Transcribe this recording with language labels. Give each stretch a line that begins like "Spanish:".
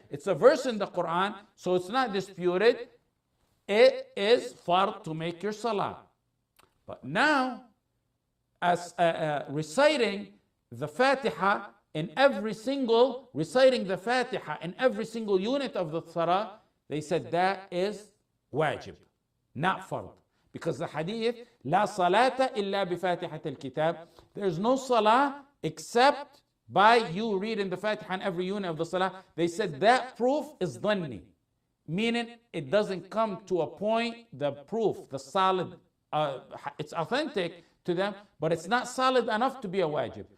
English: It's a verse in the Quran, so it's not disputed. It is fard to make your salah. But now, as reciting the Fatiha in every single, reciting the Fatiha in every single unit of the salah, they said that is wajib, not fard. Because the hadith,
Arabic: لا صلاة إلا بفاتحة الكتاب.
English: There's no salah except by you reading the Fatiha in every unit of the salah. They said that proof is dhanni, meaning it doesn't come to a point, the proof, the solid, it's authentic to them, but it's not solid enough to be a wajib.